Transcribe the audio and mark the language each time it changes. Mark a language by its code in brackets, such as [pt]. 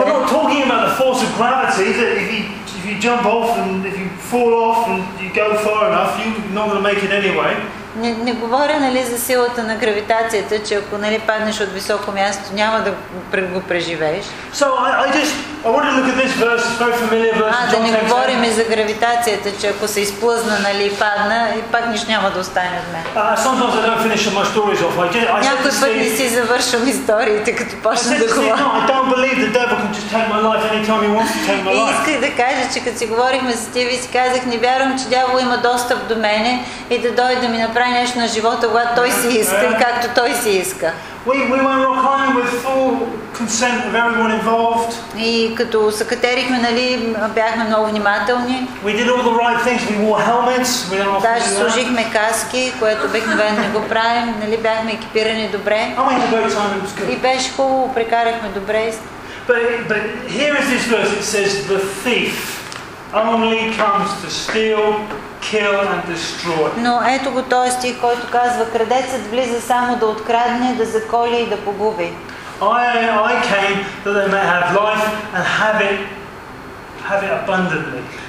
[en] We're not talking about the force of gravity, that if you jump off and if you fall off and you go far enough, you're not going to make it anyway. [bg] Не говоря, нали, за силата на гравитацията, че ако, нали, паднеш от високо място, няма да го преживееш. [en] So I want to look at this verse, it's very familiar verse. [bg] Да не говорим за гравитацията, че ако се изплъзна, нали, падна, и пак нищо няма да остане от мен. [en] Sometimes I don't finish my stories off. [bg] Някой път не си завършвам историите, като почна да говоря. [en] I don't believe the devil can just take my life anytime he wants to take my life. [bg] И исках да кажа, че като си говорихме с Стиви, си казах, не вярвам, че дявол има достъп до мене и да дойде ми направи нещо на живота, когато той си иска, и както той си иска. [en] We went rock climbing with full consent of everyone involved. [bg] И като се катерихме, нали, бяхме много внимателни. [en] We did all the right things. We wore helmets. We didn't often. [bg] Даже сложихме каски, което обикновено не го правим, нали, бяхме екипирани добре. [en] I mean, the boat time was good. [bg] И беше хубаво, прекарахме добре. [en] But here is this verse. It says the thief only comes to steal, kill and destroy. [bg] Но ето го този стих, който казва: крадецът влиза само да открадне, да заколи и да погуби. [en] I came that they may have life and have it abundantly.